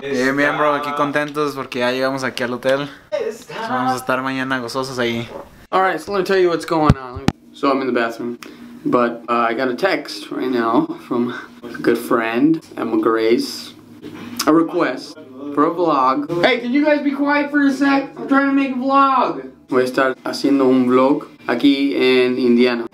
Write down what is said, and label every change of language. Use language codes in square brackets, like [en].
[es] Bien, bro, aquí contentos porque ya llegamos aquí al hotel. Vamos a estar mañana gozosos ahí. [en] Alright, so let me tell you what's going on. So I'm in the bathroom, but I got a text right now from a good friend, Emma Grace. A request for a vlog. Hey, can you guys be quiet for a sec? I'm trying to make a vlog. [es] Voy a estar haciendo un vlog aquí en Indiana.